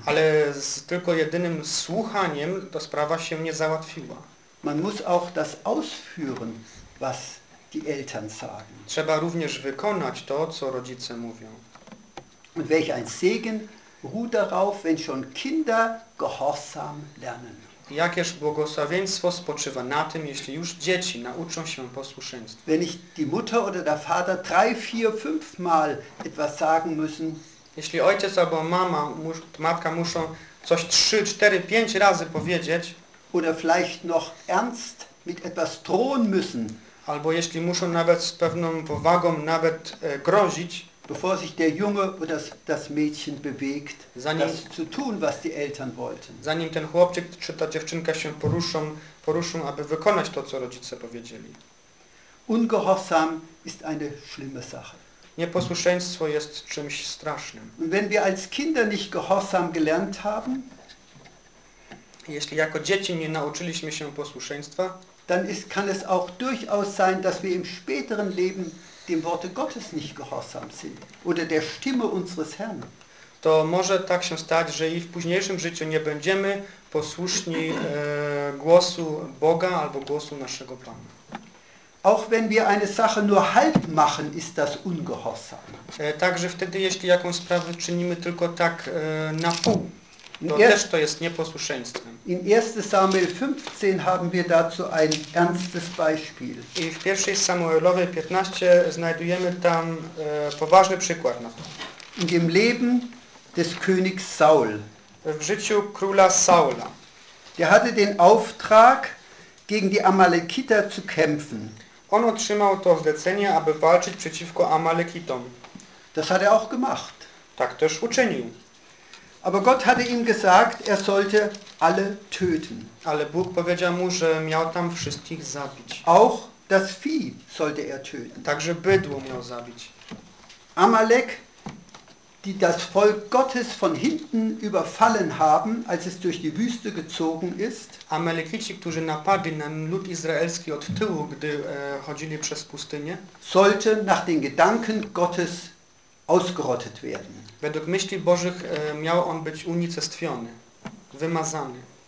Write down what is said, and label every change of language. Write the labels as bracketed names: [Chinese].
[Polish] Ale z tylko jedynym słuchaniem to sprawa się nie załatwiła. [German] Man muss auch das ausführen, was die Eltern sagen. [Polish] Trzeba również wykonać to, co rodzice mówią. [German] Und welch ein Segen ruht darauf, wenn schon Kinder gehorsam lernen. [Polish] Jakież błogosławieństwo spoczywa na tym, jeśli już dzieci nauczą się posłuszeństwa. [German] Wenn ich die Mutter oder der Vater drei, vier, fünf Mal etwas sagen müssen. [Polish] Jeśli ojciec albo mama, matka muszą coś trzy, cztery, pięć razy powiedzieć. [German] Oder vielleicht noch ernst mit etwas drohen müssen. [Polish] Albo jeśli muszą nawet z pewną powagą nawet grozić. [German] Bevor sich der Junge oder das Mädchen bewegt, das zu tun, was die Eltern wollten. [Polish] Zanim ten chłopczyk czy ta dziewczynka się poruszą, aby wykonać to, co rodzice powiedzieli. [German] Ungehorsam ist eine schlimme Sache. [Polish] Nieposłuszeństwo jest czymś strasznym. [German] Und wenn wir als Kinder nicht gehorsam gelernt haben, [Polish] jeśli jako dzieci nie nauczyliśmy się posłuszeństwa, [German] dann ist, kann es auch durchaus sein, dass wir im späteren Leben dem Worte Gottes nicht gehorsam sind oder der Stimme unseres Herrn. [Polish] To może tak się stać, że i w późniejszym życiu nie będziemy posłuszni głosu Boga albo głosu naszego Pana. [German] Auch wenn wir eine Sache nur halb machen, ist das ungehorsam. [Polish] Także wtedy, jeśli jakąś sprawę czynimy tylko tak na pół, też to jest nieposłuszeństwem. [German] In 1. Samuel 15 haben wir dazu ein ernstes Beispiel. [Polish] I w 1. Samuelowej 15 znajdujemy tam poważny przykład na to. [German] In dem Leben des Königs Saul. [Polish] W życiu króla Saula. [German] Der hatte den Auftrag, gegen die Amalekiter zu kämpfen. [Polish] On otrzymał to zlecenie, aby walczyć przeciwko Amalekitom. [German] Das hat er auch gemacht. [Polish] Tak też uczynił. [German] Aber Gott hatte ihm gesagt, er sollte alle töten. [Polish] Ale Bóg powiedział mu, że miał tam wszystkich zabić. [German] Auch das Vieh sollte er töten. [Polish] Także bydło miał zabić. [German] Amalek, die das Volk Gottes von hinten überfallen haben, als es durch die Wüste gezogen ist. [Polish] Amalekici, którzy napadli na lud izraelski od tyłu, gdy chodzili przez pustynię. [German] Sollte nach den Gedanken Gottes ausgerottet werden. [Polish] Według myśli Bożych miał on być unicestwiony, wymazany.